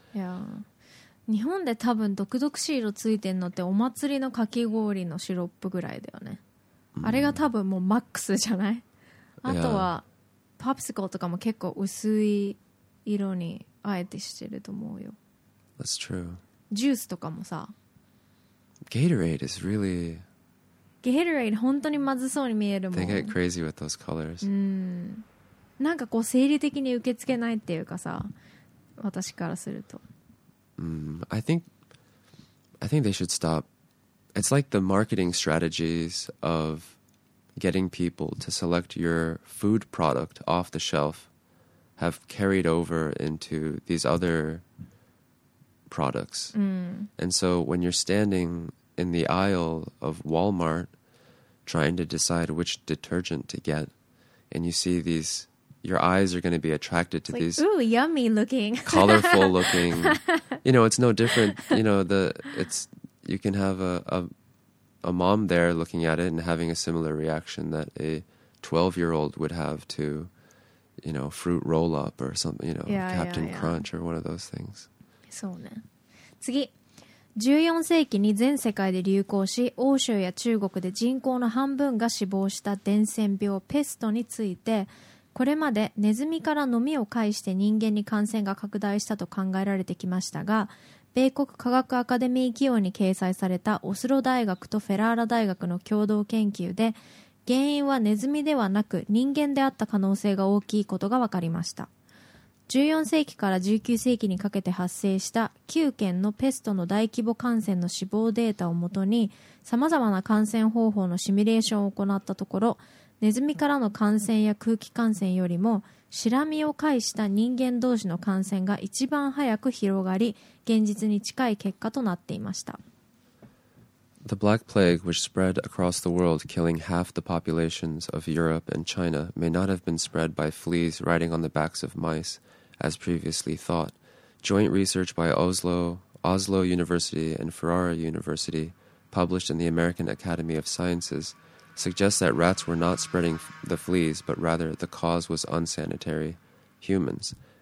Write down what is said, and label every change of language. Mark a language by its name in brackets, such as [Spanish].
[English] Yeah. [Japanese] 日本で多分独特しい色ついてんのってお祭りのかき氷のシロップぐらいだよね。あれが多分もうマックスじゃない？あとはパプシコとかも結構薄い色にあえてしてると思うよ。 [English] That's true. [Japanese] ジュースとかもさ。 [English] Gatorade is really... [Japanese] Gatorade 本当にまずそうに見えるもん。 [English] They get crazy with those colors. [Japanese] なんかこう生理的に受け付けないっていうかさ、私からすると。 [English] I think they should stop. It's like the marketing strategies of getting people to select your food product off the shelf have carried over into these other products. And so when you're standing in the aisle of Walmart trying to decide which detergent to get, and you see these... Your eyes are going to be attracted to like, these ooh, yummy looking. colorful looking. You know, it's no different. You know, you can have a mom there looking at it and having a similar reaction that a 12-year-old would have to, you know, fruit roll-up or something, you know, Captain Crunch or one of those things. [Japanese] そうね。次。 14世紀に全世界で流行し、欧州や中国で人口の半分が死亡した伝染病ペストについて、これまでネズミからノミを介して人間に感染が拡大したと考えられてきましたが、米国科学アカデミー起用に掲載されたオスロ大学とフェラーラ大学の共同研究で、原因はネズミではなく人間であった可能性が大きいことが分かりました。 14世紀から19世紀にかけて発生した9件のペストの大規模感染の死亡データをもとに、様々な感染方法のシミュレーションを行ったところ、ネズミからの感染や空気感染よりもシラミを介した人間同士の感染が一番早く広がり、現実に近い結果となっていました。 [English] The Black Plague, which spread across the world, killing half the populations of Europe and China, may not have been spread by fleas riding on the backs of mice, as previously thought. Joint research by Oslo University and Ferrara University, published in the American Academy of Sciences,suggests that rats were not spreading the fleas, but rather the cause was unsanitary humans.